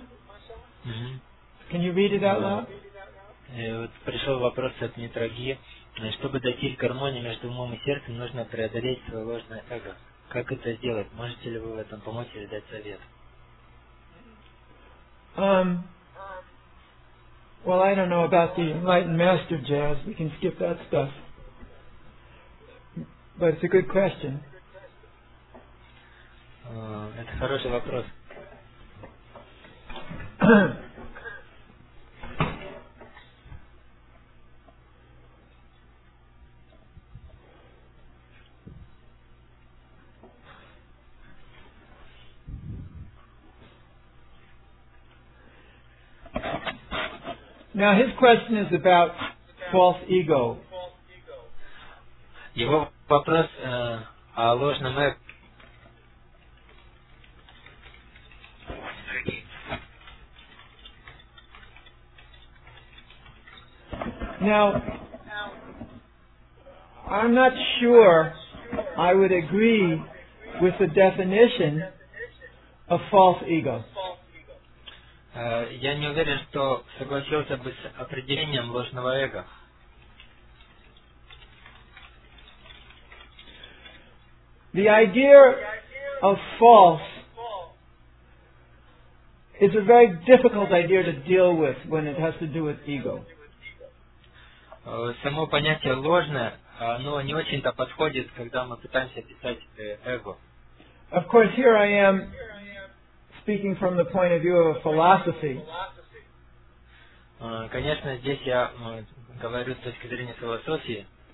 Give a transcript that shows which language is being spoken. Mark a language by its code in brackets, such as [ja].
[en] Mm-hmm. Can you read it out loud? [ru] Вот пришел вопрос от Митраги. Чтобы достичь гармонии между умом и сердцем, нужно преодолеть свое ложное эго. Как это сделать? Можете ли вы в этом помочь или дать совет? [en] Well, I don't know about the enlightened master jazz. We can skip that stuff. But it's a good question. [ru] Это хороший вопрос. [en] Now his question is about false ego. [ru] Его вопрос о ложном эго. [en] Now, I'm not sure I would agree with the definition of false ego. [ru] Я не уверен, что согласился бы с определением ложного эго. [en] The idea of false is a very difficult idea to deal with when it has to do with ego. [ru] Само понятие ложное, оно не очень-то подходит, когда мы пытаемся описать эго. [en] Of course, here I am speaking from the point of view of a philosophy. [ru] Конечно, здесь я говорю с точки зрения философии.